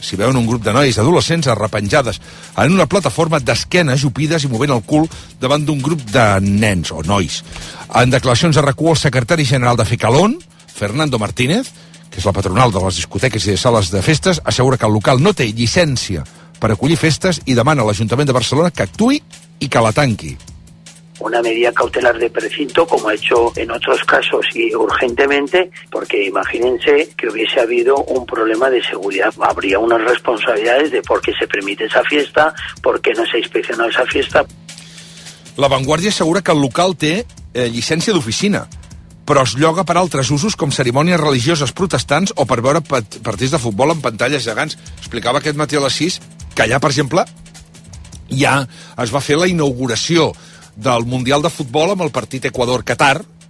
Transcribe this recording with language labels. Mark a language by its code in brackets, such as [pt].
[ca] S'hi veuen un grup de noies adolescents arrepenjades en una plataforma d'esquena, jupides i movent el cul davant d'un grup de nens o nois. En declaracions a RAC1, el secretari general de FECALON, Fernando Martínez, que és la patronal de les discoteques i de sales de festes, assegura que el local no té llicència per acollir festes i demana a l'Ajuntament de Barcelona que actuï i que la tanqui. [es] Una medida cautelar de precinto, como ha hecho en otros casos y urgentemente, porque imagínense que hubiese habido un problema de seguridad. Habría unas responsabilidades de por qué se permite esa fiesta, por qué no se ha inspeccionado esa fiesta. [ca] La Vanguardia assegura que el local té llicència d'oficina, però es lloga per altres usos, com cerimònies religioses protestants o per veure partits de futbol en pantalles gegants. Explicava aquest matí a les 6 que allà, per exemple, ja es va fer la inauguració del Mundial de Futbol amb el partit Equador-Qatar.